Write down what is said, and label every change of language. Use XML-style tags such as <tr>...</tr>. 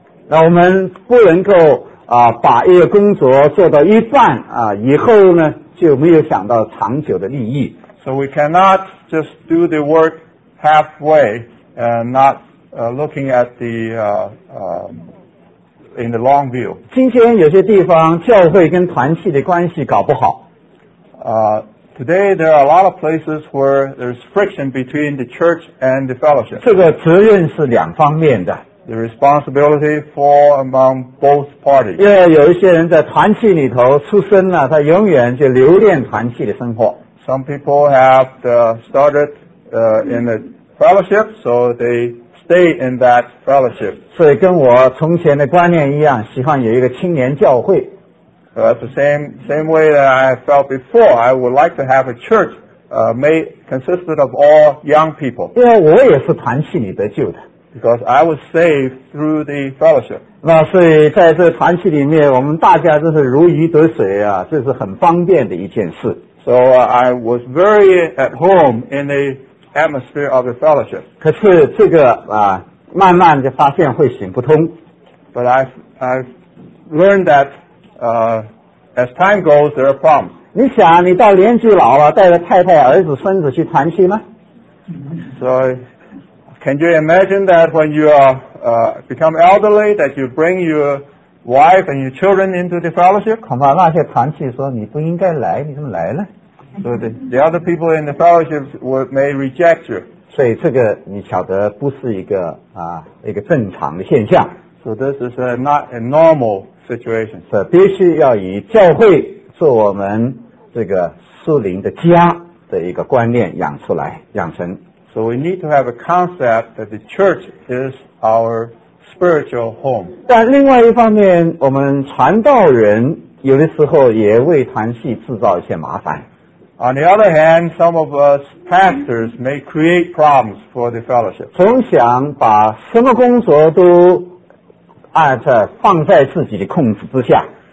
<zh>那我们不能够把一个工作做到一半以后呢就没有想到长久的利益。</zh> <en>So we cannot just do the work halfway and not looking at the in the long view.</en> <zh>今天有些地方教会跟团契的关系搞不好。</zh> <en>Today there are a lot of places where there's friction between the church and the fellowship.</en> <zh>这个责任是两方面的。</zh> <en>The responsibility falls among both parties.</en> <zh>因为有一些人在团契里头出生了，他永远就留恋团契的生活。</zh> <en>Some people have started in the fellowship, so they stay in that fellowship.</en> <zh>所以跟我从前的观念一样，喜欢有一个青年教会。</zh> <en>That's the same way that I felt before. I would like to have a church made consisted of all young people.</en> <zh>因为我也是团契里得救的。</zh> <en>Because I was saved through the fellowship.</en> <zh>那所以在这团契里面，我们大家真是如鱼得水啊，这是很方便的一件事。</zh> <en>So I was very at home in the atmosphere of the fellowship.</en> <zh>可是这个慢慢就发现会行不通。</zh> <en>But I've learned that as time goes, there are problems.</en> <zh>你想，你到年纪老了，带着太太、儿子、孙子去团契吗</zh> <en>？So can you imagine that when you are become elderly, that you bring your wife and your children into the fellowship?</en> <zh>恐怕那些团契说你不应该来，你怎么来了？</zh> <en>So the other people in the fellowship may reject you.</en> <zh>所以这个你晓得不是一个一个正常的现象。</zh> <en>So this is not a normal situation.</en> <zh>所以必须要以教会做我们这个属灵的家的一个观念养出来，养成。</zh> <en>So we need to have a concept that the church is our spiritual home.</en> <zh>但另外一方面，我们传道人有的时候也为团契制造一些麻烦。</zh> <en>On the other hand, some of us pastors may create problems for the fellowship.</en> <zh>总想把什么工作都放在自己的控制之下。</zh>